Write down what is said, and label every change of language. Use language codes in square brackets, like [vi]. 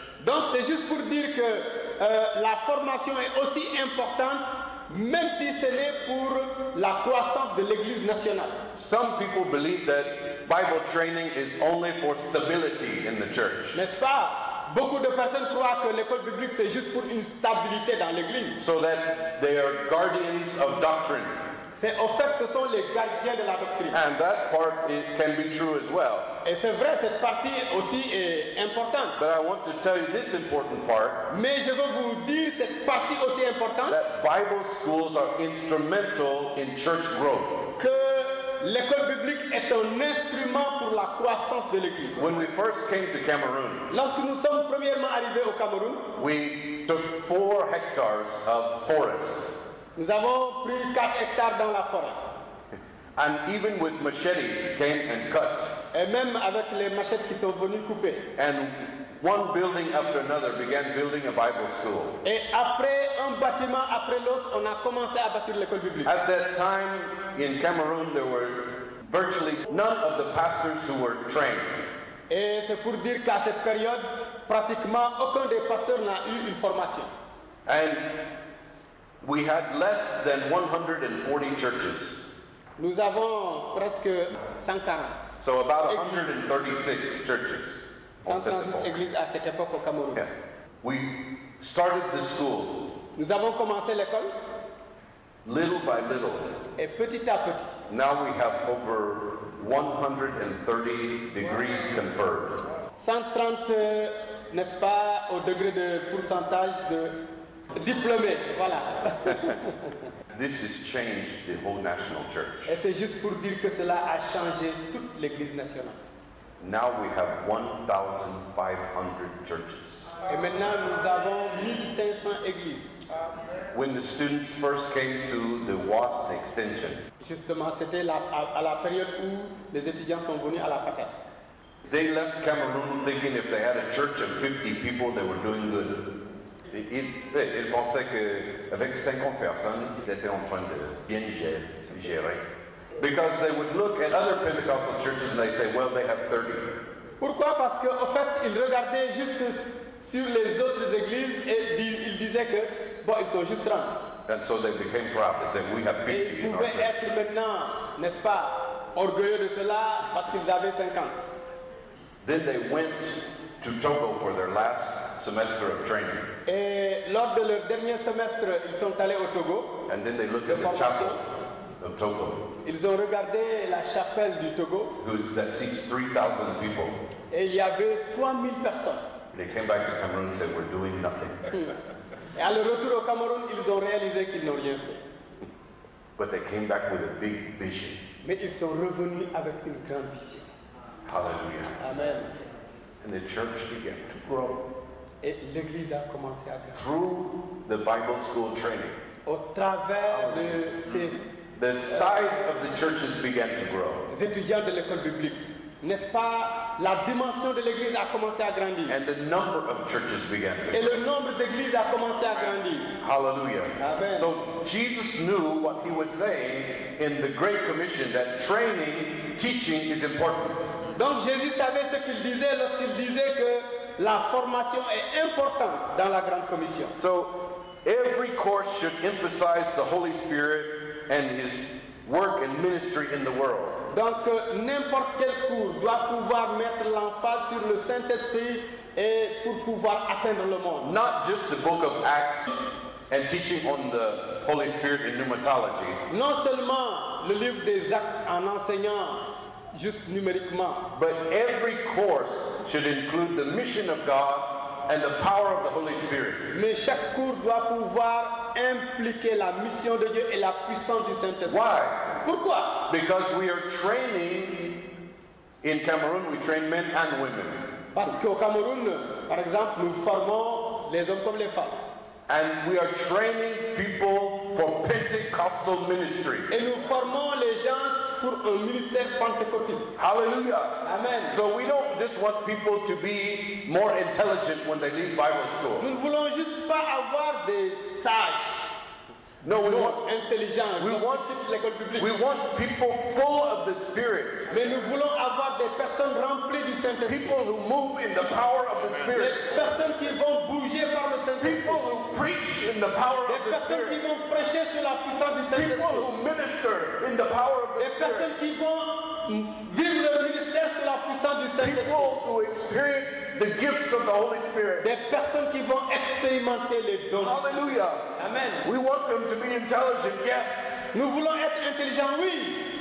[fr] Donc c'est juste pour dire que la formation est aussi importante même si ce n'est pour la croissance de l'Église nationale. [en] Some people believe that Bible training is only for stability in the church. [fr] N'est-ce pas? Beaucoup de personnes croient que l'école biblique c'est juste pour une stabilité dans l'Église. [en] So that they are guardians of doctrine. [fr] C'est au fait ce sont les gardiens de la doctrine. [en] And that part it can be true as well. [fr] Et c'est vrai, cette partie aussi est importante. [en] But I want to tell you this important part. [fr] Mais je veux vous dire cette partie aussi importante. [en] That Bible schools are instrumental in church growth. [fr] Que l'école biblique est un instrument pour la croissance de l'Église. [en] When we first came to Cameroon, [fr] lorsque nous sommes premièrement arrivés au Cameroun, [en] we took 4 hectares of forest. [fr] Nous avons pris 4 hectares dans la forêt. [en] And even with machetes came and cut. [fr] Et même avec les machettes qui sont venues couper. [en] And one building after another began building a Bible school. [fr] Et après un bâtiment après l'autre, on a commencé à bâtir l'école biblique. [en] At that time in Cameroon, there were virtually none of the pastors who were trained. [fr] Et c'est pour dire qu'à cette période, pratiquement aucun des pasteurs n'a eu une formation. [en] And we had less than 140 churches. [fr] Nous avons presque 140. [en] So about 136 churches. [fr] 136 églises à cette époque au Cameroun. [en] Yeah. We started the school. [fr] Nous avons commencé l'école. [en] Little by little. [fr] Et petit à petit. [en] Now we have over 130 degrees conferred. [fr] 130, n'est-ce pas, au degré de pourcentage de diplômés, voilà. [en] This has changed the whole national church. [fr] Et c'est juste pour dire que cela a changé toute l'église nationale. [en] Now we have 1,500 churches. [fr] Et maintenant nous avons 1,500 églises. [en] When the students first came to the WASD extension, [fr] justement, c'était à la période où les étudiants sont venus à la FATEX. [en] They left Cameroon thinking if they had a church of 50 people, they were doing good. [fr] Ils pensaient qu'avec 50 personnes, ils étaient en train de bien gérer. [en] Because they would look at other Pentecostal churches and they say, well, they have 30. [fr] Pourquoi? Parce qu'au fait, ils regardaient juste sur les autres églises et ils disaient que, bon, ils sont juste 30. [en] And so they became proud that we have 50 in our church. [fr] Ils pouvaient être maintenant, n'est-ce pas, orgueilleux de cela parce qu'ils avaient 50. [en] Then they went to Togo for their last semester of training. [fr] Et lors de leur dernier semestre, ils sont allés au Togo. [en] And then they looked at the chapel of Togo. [fr] Ils ont regardé la chapelle du Togo. [en] That seats 3,000 people. [fr] Et il y avait 3,000 personnes. [en] They came back to Cameroon and said, we're doing nothing. [fr] Et à leur retour au Cameroun, ils ont réalisé qu'ils n'ont rien fait. [en] But they came back with a big vision. [fr] Mais ils sont revenus avec une grande vision. Hallelujah. Amen. [en] And the church began to grow. [fr] Et l'église a commencé à grandir. [en] Through the Bible school training. [fr] Au travers de ces... [en] The size of the churches began to grow. [fr] Les étudiants de l'école biblique. N'est-ce pas, la dimension de l'église a commencé à grandir. [en] And the number of churches began to grow. [fr] Et le nombre d'églises a commencé à grandir. Hallelujah. Amen. [en] So Jesus knew what he was saying in the Great Commission, that training, teaching is important. [fr] Donc Jésus savait ce qu'il disait lorsqu'il disait que la formation est importante dans la Grande Commission. [en] So every course should emphasize the Holy Spirit and his work and ministry in the world. [fr] Donc n'importe quel cours doit pouvoir mettre l'emphase sur le Saint-Esprit et pour pouvoir atteindre le monde. [en] Not just the book of Acts and teaching on the Holy Spirit in pneumatology. [fr] Non seulement le livre des Actes en enseignant juste numériquement. [en] But every course should include the mission of God and the power of the Holy Spirit. [fr] Mais chaque cours doit pouvoir impliquer la mission de Dieu et la puissance du Saint-Esprit. [en] Why? [fr] Pourquoi? [en] Because we are training in Cameroon, we train men and women. [fr] Parce qu'au Cameroun, par exemple, nous formons les hommes comme les femmes. [en] And we are training people for Pentecostal ministry. [fr] Et nous formons les gens pour un ministère pentecôtiste. Hallelujah. Amen. [en] So we don't just want people to be more intelligent when they leave Bible school. [fr] Nous ne voulons juste pas avoir des sages. [en] No, we want intelligent. We want people full of the Spirit. [fr] Mais nous voulons avoir des personnes remplies du Saint-Esprit. [en] People who move in the power of the Spirit. [fr] Des personnes qui vont bouger par le Saint-Esprit. [en] People who preach in the power [fr] des [en] of the Spirit. [fr] Des personnes qui vont prêcher sur la puissance du Saint-Esprit. [en] People who minister in the power of the [fr] des [en] Spirit. [fr] Des personnes qui vont vivre leur ministère sur la puissance du Saint-Esprit. [en] People who experience the gifts of the Holy Spirit. [fr] Des personnes qui vont expérimenter les dons. Hallelujah. Amen. [en] We want them to be intelligent, yes. [fr] Nous voulons être intelligents, oui.